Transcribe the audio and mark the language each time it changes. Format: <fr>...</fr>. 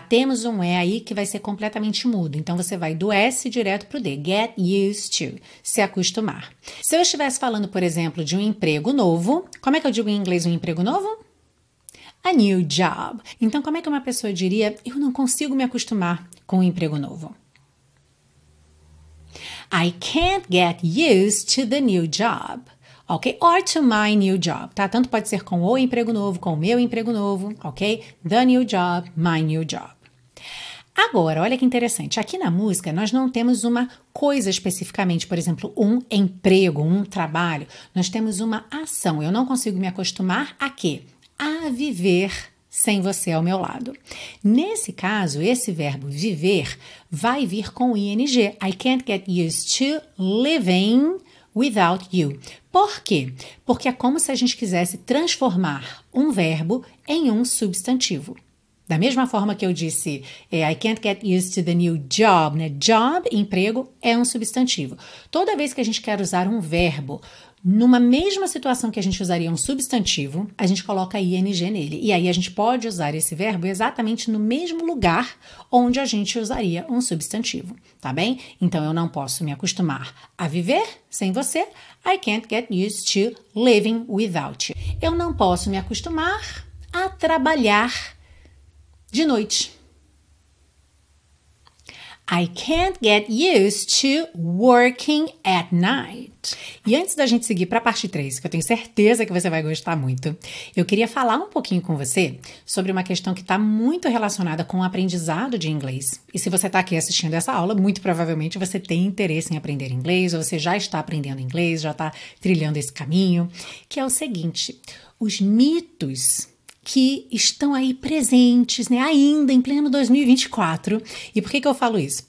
<pt>Temos um E aí que vai ser completamente mudo, então você vai do S direto para o D,</pt> <en>get used to,</en> <pt>se acostumar. Se eu estivesse falando, por exemplo, de um emprego novo, como é que eu digo em inglês um emprego novo?</pt> <en>A new job.</en> <pt>Então, como é que uma pessoa diria, eu não consigo me acostumar com um emprego novo?</pt> <en>I can't get used to the new job. Ok? Or to my new job. Tá?</en> <pt>Tanto pode ser com o emprego novo, com o meu emprego novo. Ok?</pt> <en>The new job, my new job.</en> <pt>Agora, olha que interessante, aqui na música nós não temos uma coisa especificamente, por exemplo, um emprego, um trabalho, nós temos uma ação, eu não consigo me acostumar a quê? A viver sem você ao meu lado. Nesse caso, esse verbo viver vai vir com o ing,</pt> <en>I can't get used to living without you.</en> <pt>Por quê? Porque é como se a gente quisesse transformar um verbo em um substantivo. Da mesma forma que eu disse,</pt> <en>I can't get used to the new job,</en> <pt>né? Job, emprego, é um substantivo. Toda vez que a gente quer usar um verbo, numa mesma situação que a gente usaria um substantivo, a gente coloca ing nele. E aí a gente pode usar esse verbo exatamente no mesmo lugar onde a gente usaria um substantivo, tá bem? Então, eu não posso me acostumar a viver sem você.</pt> <en>I can't get used to living without you.</en> <pt>Eu não posso me acostumar a trabalhar de noite.</pt> <en>I can't get used to working at night.</en> <pt>E antes da gente seguir para a parte 3, que eu tenho certeza que você vai gostar muito, eu queria falar um pouquinho com você sobre uma questão que está muito relacionada com o aprendizado de inglês. E se você está aqui assistindo essa aula, muito provavelmente você tem interesse em aprender inglês, ou você já está aprendendo inglês, já está trilhando esse caminho, que é o seguinte: os mitos que estão aí presentes, né, ainda em pleno 2024. E por que que eu falo isso?</pt>